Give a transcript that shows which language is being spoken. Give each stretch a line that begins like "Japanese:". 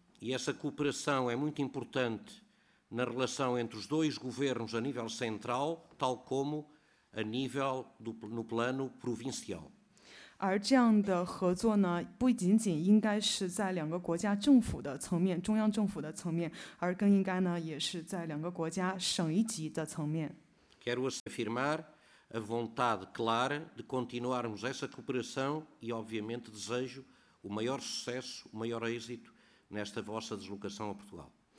Portuguese: E essa cooperação é muito importante na relação entre os dois governos a nível central, tal como a nível do, no plano provincial.
Chinese: 而这样的合作呢，不仅仅应该是在两个国家政府的层面，中央政府的层面，而更应该呢也是在两个国家省一级的层面。
Portuguese: Quero afirmar a vontade clara de continuarmos essa cooperação e, obviamente, desejo o maior sucesso, o maior êxito nesta vossa deslocação a Portugal.